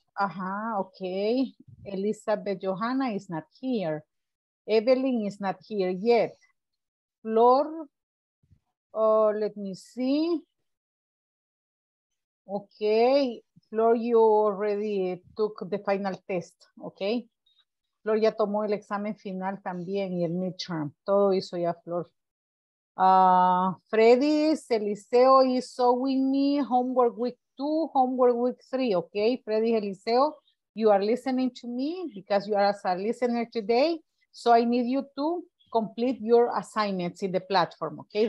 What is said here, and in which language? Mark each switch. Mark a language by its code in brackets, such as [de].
[en] Okay. Elizabeth Johanna is not here. Evelyn is not here yet. Flor, let me see. Okay, Flor, you already took the final test, okay? [es] Flor ya tomó el examen final también y el midterm. Todo hizo ya Flor. [en] Freddy, Eliseo [es] hizo [en] with me homework week 2, homework week 3, okay? Freddy, Eliseo, you are listening to me because you are as a listener today. So I need you to complete your assignments in the platform, okay?